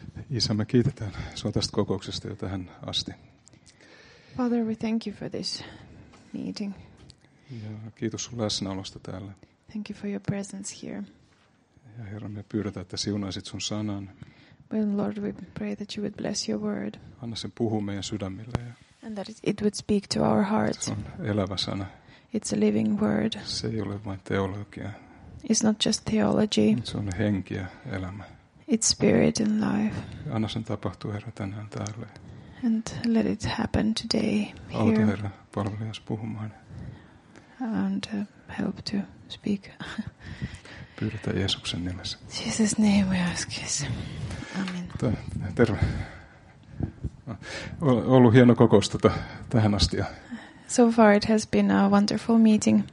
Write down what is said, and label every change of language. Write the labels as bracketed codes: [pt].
[fi] Isä, me kiitetään sinua tästä kokouksesta jo tähän asti. [en] Father, we thank you for this meeting. [fi] Ja kiitos sinun läsnäolosta täällä. [en] Thank you for your presence here. [fi] Ja Herra, me pyydetään, että siunaisit sun sanan. [en] Well, Lord, we pray that you would bless your word. [fi] Anna sen puhua meidän sydämille. Ja [en] and that it would speak to our hearts. [fi] Se on elävä sana. [en] It's a living word. [fi] Se ei ole vain teologia. [en] It's not just theology. [fi] Se on henki ja elämä. [en] It's spirit and life. [fi] Anna sen tapahtua, Herra, tänään täällä. [en] And let it happen today here. [fi] Auta, Herra, palvelijas puhumaan. [en] And help to speak. [fi] Pyydetään Jeesuksen nimessä. [en] Jesus name we ask. Amen. [fi] Terve. Ollut hieno kokous tähän asti. [en] So far it has been a wonderful meeting.